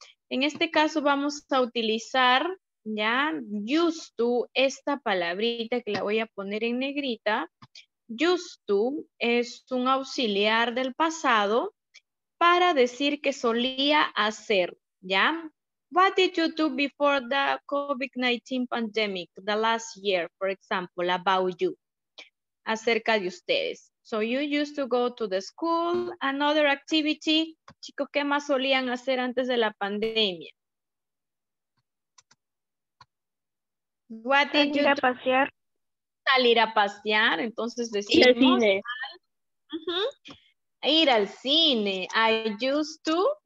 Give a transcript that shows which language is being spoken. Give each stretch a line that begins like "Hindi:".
Spanish: En este caso vamos a utilizar, ya, used to, esta palabrita que la voy a poner en negrita. Used to es un auxiliar del pasado para decir que solía hacer, ya.
English: What did you do before the COVID-19 pandemic, the last year, for example, about you,
Spanish: acerca de ustedes?
English: So you used to go to the school, another activity.
Spanish: Chicos, ¿qué más solían hacer antes de la pandemia? Salir a pasear. Salir a pasear, entonces decimos. Ir al cine. Ir al cine.
English: I used to.